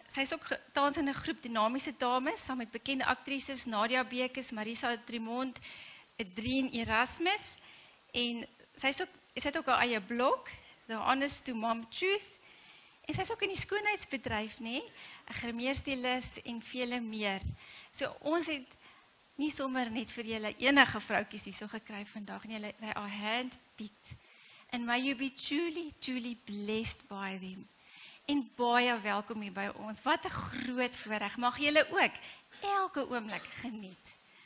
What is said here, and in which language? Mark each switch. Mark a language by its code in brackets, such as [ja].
[af] Sy is ook tans in 'n groep dinamiese dames, saam met bekende actrices, Nadia Bekes, Marisa Tremont, Adrien Erasmus, en sy het ook haar eie blog, [en] the honest to mom truth. [af] En sy is ook in die skoonheidsbedryf, nee, 'n grimeerstylis en vele meer. So ons het nie sommer net vir julle enige vroutjies hierso gekry vandag nie. Hulle [en] they are handpicked. And may you be truly, truly blessed by them. [af] En baie welkom hier by ons. Wat 'n groot voorreg. Mag julle ook elke oomblik geniet.